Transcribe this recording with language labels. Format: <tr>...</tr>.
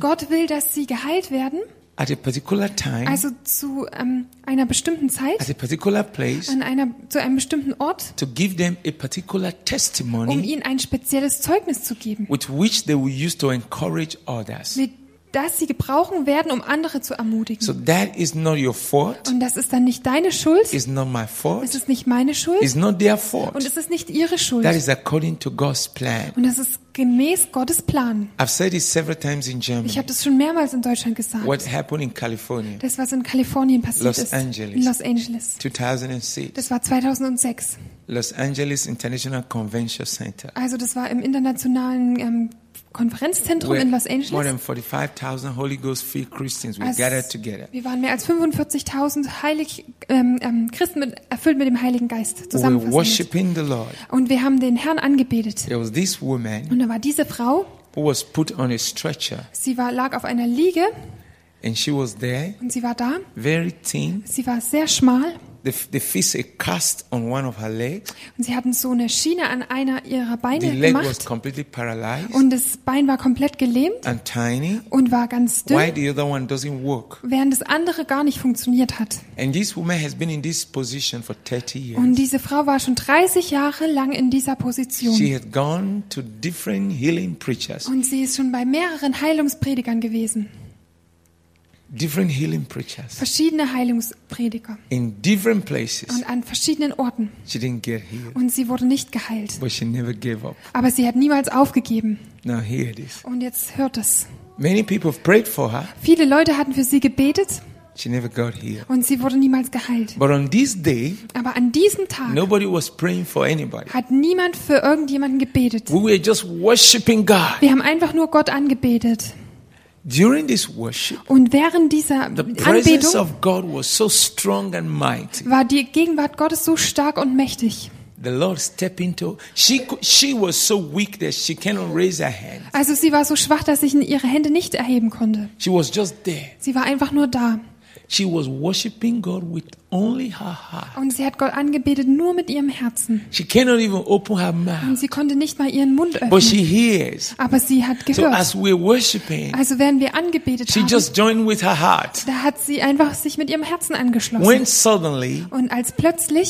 <de>Gott will, dass sie geheilt werden.</de> <en>At a particular time.</en> <de>Also zu einer bestimmten Zeit.</de> <en>At a particular place.</en> <de>Zu einem bestimmten Ort.</de> <en>To give them a particular testimony.</en> <de>Um ihnen ein spezielles Zeugnis zu geben.</de> <en>With which they will use to encourage others.</en> <de>Dass sie gebrauchen werden, um andere zu ermutigen.</de> <en>So that is not your fault.</en> <de>Und das ist dann nicht deine Schuld.</de> <en>It's not my fault.</en> <de>Es ist nicht meine Schuld.</de> <en>It's not their fault.</en> <de>Und es ist nicht ihre Schuld.</de> <en>That is according to God's plan.</en> <de>Und das ist gemäß Gottes Plan.</de> <en>I've said it several times in Germany.</en> <de>Ich habe das schon mehrmals in Deutschland gesagt.</de> <en>What happened in California?</en> <de>Das, was in Kalifornien passiert</de> <en>Los</en> <de>ist.</de> <en>Angeles.</en> <de>In Los Angeles.</de> <en>2006.</en> <de>Das war 2006.</de> <en>Los Angeles International Convention Center.</en> <de>Also das war im internationalen Konferenzzentrum in Los Angeles.</de> <en>More than 45,000 Holy Ghost-filled Christians were gathered together.</en> <de>Wir waren mehr als 45,000 Christen erfüllt mit dem Heiligen Geist zusammen.</de> <en>We were worshiping the Lord.</en> <de>Und wir haben den Herrn angebetet.</de> <en>There was this woman.</en> <de>Und da war diese Frau.</de> <en>Who was put on a stretcher.</en> <de>Sie lag auf einer Liege.</de> <en>And she was there.</en> <de>Und sie war da.</de> <en>Very thin.</en> <de>Sie war sehr schmal.</de> <en>The fist a cast on one of her legs.</en> <de>Und sie hatten so eine Schiene an einer ihrer Beine</de> <en>the leg</en> <de>gemacht.</de> <en>Was completely paralyzed.</en> <de>Und das Bein war komplett gelähmt.</de> <en>And tiny.</en> <de>Und war ganz dünn.</de> <en>Why the other one doesn't work.</en> <de>Während das andere gar nicht funktioniert hat.</de> <en>And this woman has been in this position for 30 years.</en> <de>Und diese Frau war schon 30 Jahre lang in dieser Position.</de> <en>She had gone to different healing preachers.</en> <de>Und sie ist schon bei mehreren Heilungspredigern gewesen.</de> <en>Different healing preachers.</en> <de>Verschiedene Heilungsprediger.</de> <en>In different places.</en> <de>Und an verschiedenen Orten.</de> <en>She didn't get healed.</en> <de>Und sie wurde nicht geheilt.</de> <en>But she never gave up.</en> <de>Aber sie hat niemals aufgegeben.</de> <en>Now hear this.</en> <de>Und jetzt hört es.</de> <en>Many people have prayed for her.</en> <de>Viele Leute hatten für sie gebetet.</de> <en>She never got healed.</en> <de>Und sie wurde niemals geheilt.</de> <en>But on this day,</en> <de>aber an diesem Tag,</de> <en>nobody was praying for anybody.</en> <de>Hat niemand für irgendjemanden gebetet.</de> <en>We were just worshiping God.</en> <de>Wir haben einfach nur Gott angebetet.</de> <en>During this worship,</en> <de>und während dieser Anbetung,</de> <en>the presence of God was so strong and mighty.</en> <de>War die Gegenwart Gottes so stark und mächtig.</de> <en>The Lord stepped into. She was so weak that she cannot raise her hand.</en> <de>Also sie war so schwach, dass ich ihre Hände nicht erheben konnte.</de> <en>She was just there.</en> <de>Sie war einfach nur da.</de> <en>She was worshiping God with only her heart.</en> <de>Und sie hat Gott angebetet nur mit ihrem Herzen.</de> <en>She cannot even open her mouth.</en> <de>Und sie konnte nicht mal ihren Mund öffnen.</de> <en>But she hears.</en> <de>Aber sie hat gehört.</de> <en>So as we're worshiping.</en> <de>Also während wir angebetet</de> <en>she</en> <de>haben.</de> <en>She just joined with her heart.</en> <de>Da hat sie einfach sich mit ihrem Herzen angeschlossen.</de> <en>When suddenly.</en> <de>Und als plötzlich.</de>